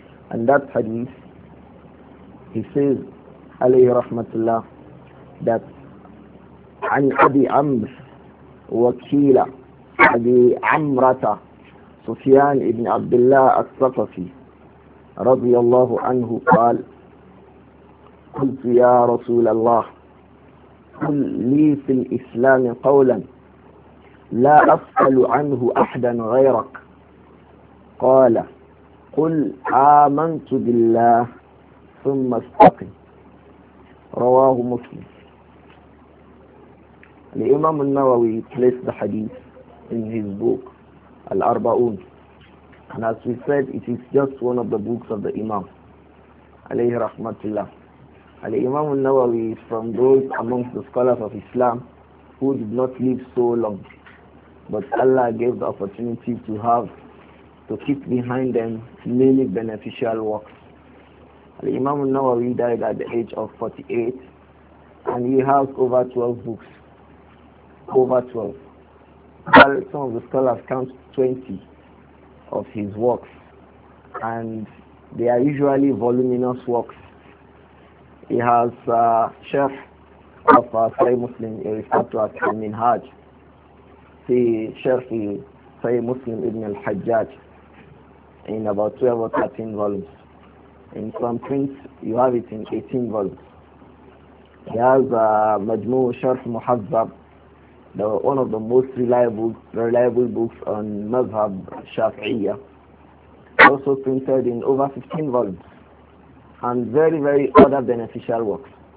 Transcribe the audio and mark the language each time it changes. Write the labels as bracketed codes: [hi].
[en] And that hadith, he says alayhi rahmatullah that an Abi Amr Wakila Abi Amrata Sufyan ibn Abdullah al-Thaqafi radiyallahu anhu [ar] qal qultu ya Rasulallah qul li fil Islam qawlan لا أسأل عنه أحدا غيرك. قال قل آمنت بالله ثم استقم. رواه مسلم. [en] الإمام النووي placed the hadith in his book Al-Arba'un, and as we said, it is just one of the books of the Imam عليه رحمة الله. الإمام النووي is from those amongst the scholars of Islam who did not live so long, but Allah gave the opportunity to have, to keep behind them many beneficial works. Al-Imam al-Nawawi died at the age of 48, and he has over 12 books. Over 12. While some of the scholars count 20 of his works, and they are usually voluminous works. He has Sheikh of Sahih Muslim, he referred to as Al-Minhaj. في شرح صحيح مسلم ابن الحجاج in about 12 or 13 volumes. In some prints you have it in 18 volumes. He has مجموع شرح محذب, one of the most reliable books on مذهب شافعية, also printed in over 15 volumes, and very very other beneficial works.